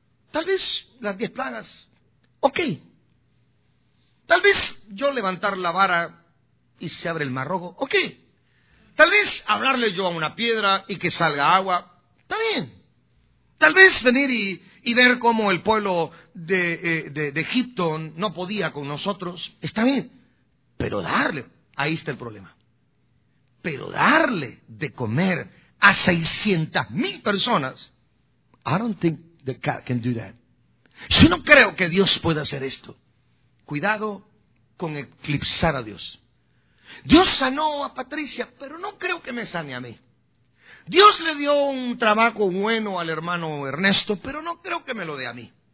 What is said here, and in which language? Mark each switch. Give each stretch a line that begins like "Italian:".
Spanish: Tal vez las 10 plagas, ok. Tal vez yo levantar la vara y se abre el mar rojo, ok. Tal vez hablarle yo a una piedra y que salga agua, está bien. Tal vez venir y ver cómo el pueblo de Egipto no podía con nosotros, está bien. Pero darle, ahí está el problema. Pero darle de comer a 600,000 personas,
English: I don't think that God can do that.
Spanish: Yo no creo que Dios pueda hacer esto. Cuidado con eclipsar a Dios. Dios sanó a Patricia, pero no creo que me sane a mí. Dios le dio un trabajo bueno al hermano Ernesto, pero no creo que me lo dé a mí.